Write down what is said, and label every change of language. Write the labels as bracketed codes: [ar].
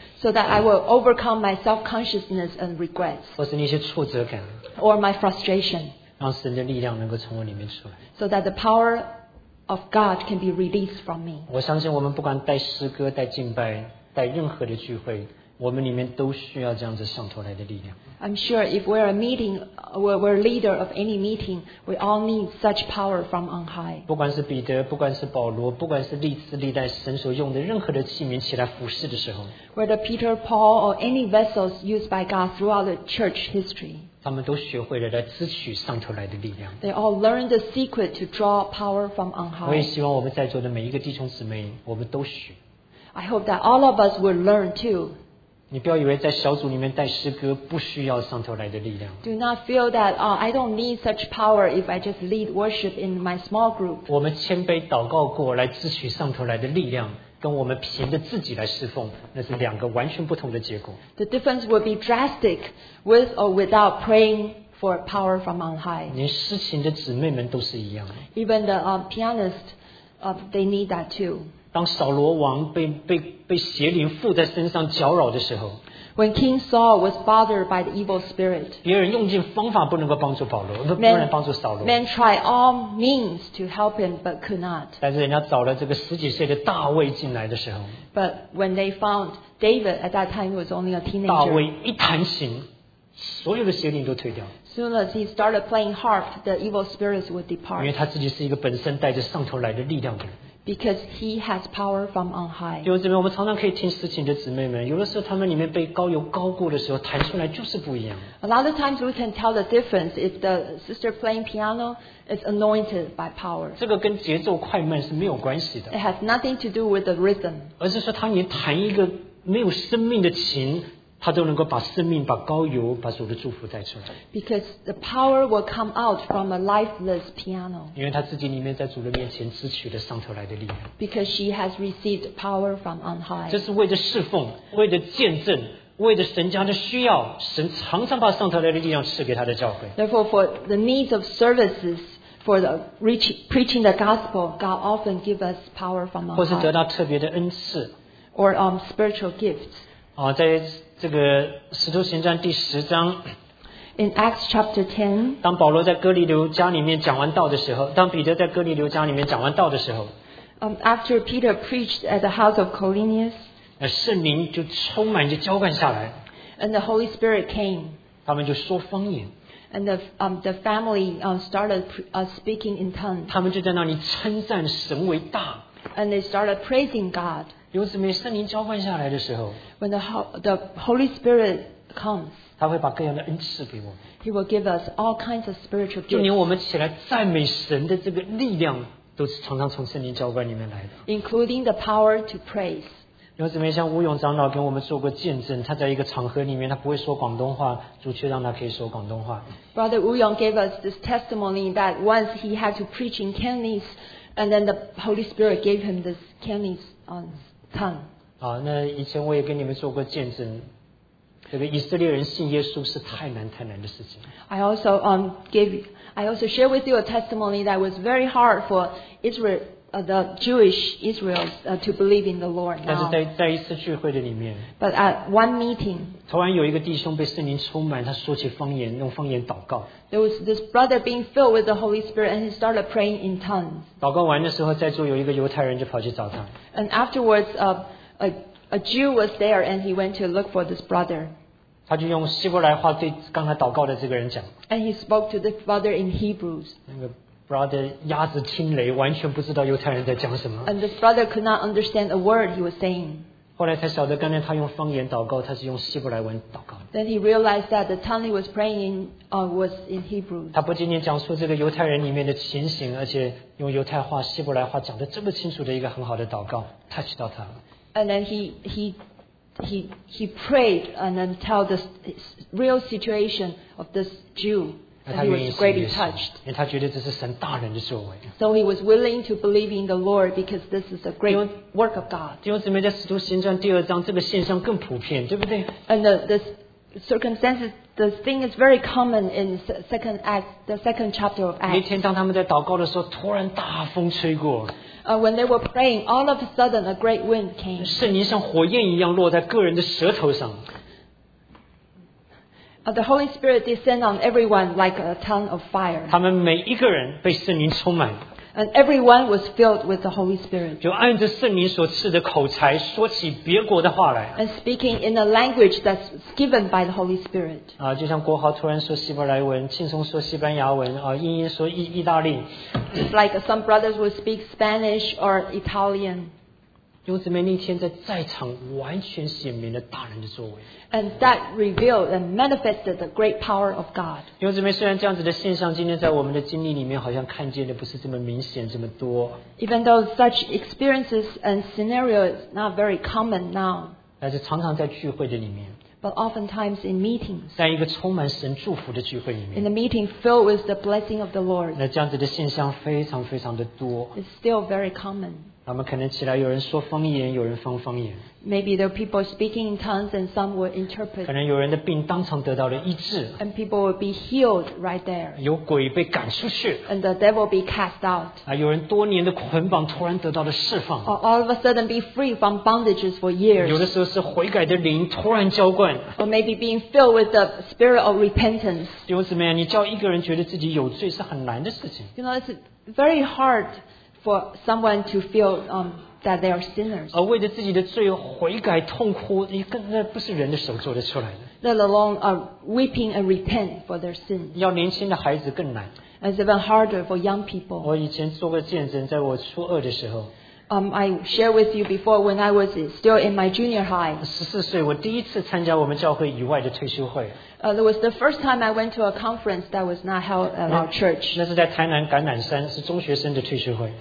[en] So that I will overcome my self-consciousness and regrets. [zh] 或是那些挫折感。 [en] Or my frustration. [zh] 让神的力量能够从我里面出来。 [en] So that the power of God can be released from me. [zh] 我相信我们不管带诗歌、带敬拜、带任何的聚会，我们里面都需要这样子上头来的力量。 [en] I'm sure if we're a meeting, we're a leader of any meeting, we all need such power from on high. [zh] 不管是彼得，不管是保罗，不管是历次历代神所用的任何的器皿起来服事的时候 [en] ，whether Peter, Paul, or any vessels used by God throughout the church history, [zh] 他们都学会了来支取上头来的力量。 [en] They all learned the secret to draw power from on high. [zh] 我也希望我们在座的每一个弟兄姊妹，我们都学。 [en] I hope that all of us will learn too. [zh] 你不要以为在小组里面带诗歌不需要上头来的力量。 [en] Do not feel that I don't need such power if I just lead worship in my small group. [zh] 我们谦卑祷告过来支取上头来的力量，跟我们凭着自己来侍奉，那是两个完全不同的结果。 [en] The difference will be drastic with or without praying for power from on high. [zh] 连诗琴的姊妹们都是一样。 [en] Even the pianist, they need that too. [zh] 当扫罗王被邪灵附在身上搅扰的时候 [en] ，When King Saul was bothered by the evil spirit， [zh] 别人用尽方法不能够帮助保罗，不能帮助扫罗。 [en] Men tried all means to help him but could not。 [zh] 但是人家找了这个十几岁的大卫进来的时候 [en] ，But when they found David at that time he was only a teenager。 [zh] 大卫一弹琴，所有的邪灵都退掉。 [en] Soon as he started playing harp, the evil spirits would depart。 [zh] 因为他自己是一个本身带着上头来的力量的人。 [en] Because he has power from on high. [zh] 弟兄姊妹，我们常常可以听诗琴的姊妹们，有的时候他们里面被膏油膏过的时候，弹出来就是不一样。 [en] A lot of times we can tell the difference if the sister playing piano is anointed by power. [zh] 这个跟节奏快慢是没有关系的。 [en] It has nothing to do with the rhythm. [zh] 而是说他连弹一个没有生命的琴，他都能够把生命、把膏油、把主的祝福带出来。 [en] Because the power will come out from a lifeless piano. [zh] 因为他自己里面在主的面前支取了上头来的力量。 [en] Because she has received power from on high. [zh] 这是为着侍奉，为着见证，为着神家的需要，神常常把上头来的力量赐给他的教会。 [en] Therefore, for the needs of services. For the preaching the gospel, God often gives us power from on high. [zh] 或是得到特别的恩赐 [en] ，or spiritual gifts. [zh] 在这个《使徒行传》第十章 [en] In Acts chapter 10, [zh] 当保罗在哥尼流家里面讲完道的时候，当彼得在哥尼流家里面讲完道的时候， [en] After Peter preached at the house of Cornelius, [zh] 圣灵就充满就浇灌下来， [en] And the Holy Spirit came, [zh] 他们就说方言， [en] And the family started speaking in tongues, [zh] 他们就在那里称赞神为大， [en] And they started praising God. [zh] 弟兄姊妹，圣灵浇灌下来的时候， [en] When the Holy Spirit comes, [zh] 他会把各样的恩赐给我们。 [en] He will give us all kinds of spiritual gifts. [zh] 就连我们起来赞美神的这个力量，都是常常从圣灵浇灌里面来的。 [en] Including the power to praise. [zh] 有姊妹像吴勇长老跟我们做过见证，他在一个场合里面，他不会说广东话，主却让他可以说广东话。 [en] Brother Wu Yong gave us this testimony that once he had to preach in Cantonese, and then the Holy Spirit gave him this Cantonese tongue. [zh] 好，那以前我也跟你们做过见证。这个以色列人信耶稣是太难太难的事情。 [en] I also share with you a testimony that was very hard for Israel, the Jewish Israel, to believe in the Lord. Now, [zh] 但是在一次聚会的里面 [en] ，But at one meeting, [zh] 突然有一个弟兄被圣灵充满，他说起方言，用方言祷告。 [en] There was this brother being filled with the Holy Spirit, and he started praying in tongues. [zh] 祷告完的时候，在座有一个犹太人就跑去找他。 [en] And afterwards, A Jew was there, and he went to look for this brother. [zh] 他就用希伯来话对刚才祷告的这个人讲。 [en] And he spoke to the brother in Hebrews. [zh] 那个 brother 鸭子听雷，完全不知道犹太人在讲什么。 [en] And this brother could not understand a word he was saying. [zh] 后来才晓得，刚才他用方言祷告，他是用希伯来文祷告。 [en] Then he realized that the tongue he was praying in was in Hebrews. [zh] 他不仅仅讲述这个犹太人里面的情形，而且用犹太话、希伯来话讲得这么清楚的一个很好的祷告 ，touch 到他。 [en] And then he prayed and then tell the real situation of this Jew. And he was greatly touched. So he was willing to believe in the Lord because this is a great work of God. [zh] 弟兄姊妹，在《使徒行传》第二章，这个现象更普遍，对不对？ [en] And the circumstances, the thing is very common in the second chapter of Acts. [zh] 每天当他们在祷告的时候，突然大风吹过。 [en] When they were praying, all of a sudden a great wind came. [zh] 圣灵像火焰一样落在个人的舌头上。 [en] The Holy Spirit descended on everyone like a tongue of fire. [zh] 他们每一个人被圣灵充满。 [en] And everyone was filled with the Holy Spirit. [zh] 就按着圣灵所赐的口才说起别国的话来。 [en] And speaking in a language that's given by the Holy Spirit. [zh] 就像国豪突然说希伯来文，庆松说西班牙文，英英说意大利。 [en] Like some brothers would speak Spanish or Italian. [zh] 弟兄姊妹，那天在场完全显明了大人的作为。 [en] And that revealed and manifested the great power of God. [zh] 弟兄姊妹，虽然这样子的现象今天在我们的经历里面好像看见的不是这么明显这么多。 [en] Even though such experiences and scenarios not very common now. [zh] 但是常常在聚会的里面。 [en] But oftentimes in meetings. [zh] 在一个充满神祝福的聚会里面。 [en] In a meeting filled with the blessing of the Lord. [zh] 那这样子的现象非常非常的多。 [en] It's still very common. [zh] 他们可能起来，有人说方言，有人方方言。 [en] Maybe there are people speaking in tongues and some will interpret. [zh] 可能有人的病当场得到了医治。 [en] And people will be healed right there. [zh] 有鬼被赶出去。 [en] And the devil be cast out. [zh] 有人多年的捆绑突然得到了释放。 [en] Or all of a sudden be free from bondages for years. [zh] 有的时候是悔改的灵突然浇灌。 [en] Or maybe being filled with the spirit of repentance. [zh] 弟兄姊妹，你叫一个人觉得自己有罪是很难的事情。 [en] You know, it's very hard. For someone to feel that they are sinners. [zh] 而为着自己的罪悔改痛哭，那不是人的手做得出来的。 [en] Let alone weeping and repent for their sins. [zh] 要年轻的孩子更难。 [en] It's even harder for young people. [zh] 我以前做过见证，在我初二的时候。 [en] I share with you before when I was still in my junior high. [zh] 14岁，我第一次参加我们教会以外的退休会。 [en] It was the first time I went to a conference that was not held at our church. [zh] 那是在台南橄榄山，是中学生的退休会。